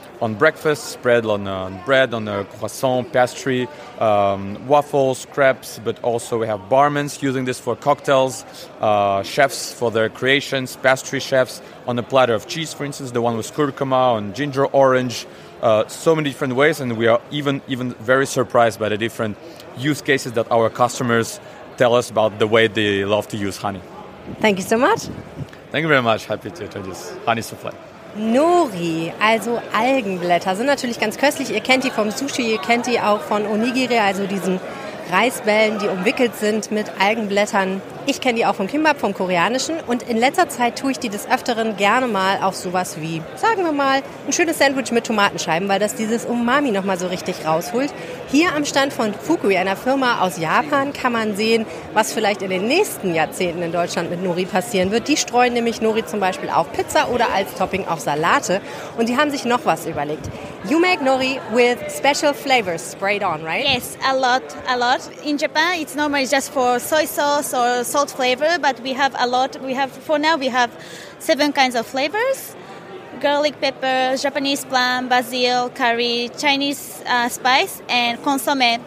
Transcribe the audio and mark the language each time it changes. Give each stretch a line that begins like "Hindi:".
English: On breakfast, spread on bread, on a croissant, pastry, waffles, crepes, but also we have barmans using this for cocktails, chefs for their creations, pastry chefs, on a platter of cheese, for instance, the one with curcuma and ginger orange, so many different ways, and we are even very surprised by the different use cases that our customers tell us about the way they love to use honey. Thank you so much. Thank you very much. Happy to introduce Honey Soufflé.
German: Nori, also Algenblätter, sind natürlich ganz köstlich. Ihr kennt die vom Sushi, ihr kennt die auch von Onigiri, also diesen Reisbällen, die umwickelt sind mit Algenblättern. Ich kenne die auch vom Kimbap, vom Koreanischen. Und in letzter Zeit tue ich die des Öfteren gerne mal auf sowas wie, sagen wir mal, ein schönes Sandwich mit Tomatenscheiben, weil das dieses Umami nochmal so richtig rausholt. Hier am Stand von Fukui, einer Firma aus Japan, kann man sehen, was vielleicht in den nächsten Jahrzehnten in Deutschland mit Nori passieren wird. Die streuen nämlich Nori zum Beispiel auf Pizza oder als Topping auf Salate. Und die haben sich noch was überlegt.
English: You make nori with special flavors sprayed on, right? Yes, a lot, a lot. In Japan, it's normally just for soy sauce or salt flavor, but we have a lot. We have, for now, we have 7 kinds of flavors. Garlic pepper, Japanese plum, basil, curry, Chinese spice, and consomme.